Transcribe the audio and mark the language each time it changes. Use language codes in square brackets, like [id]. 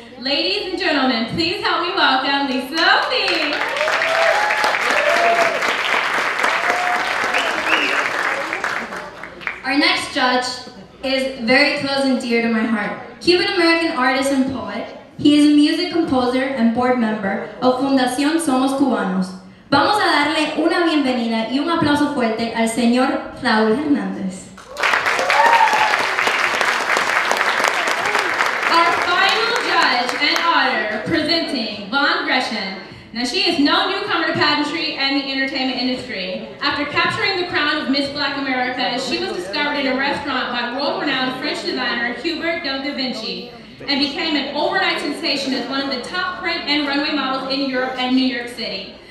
[en] Ladies and gentlemen, please help me welcome Lisa Opie. Our next judge is very close and dear to my heart. Cuban-American artist and poet, he is a music composer and board member of Fundación Somos Cubanos. [es] Vamos a darle una bienvenida y un aplauso fuerte al señor Raúl Hernández. [en] Our final judge and auditor presenting Vaughn Gresham. Now she is no newcomer to pageantry and the entertainment industry. After capturing the crown of Miss Black America, she was discovered in a restaurant by world-renowned French designer Hubert de Da Vinci and became an overnight sensation as one of the top print and runway models in Europe and New York City.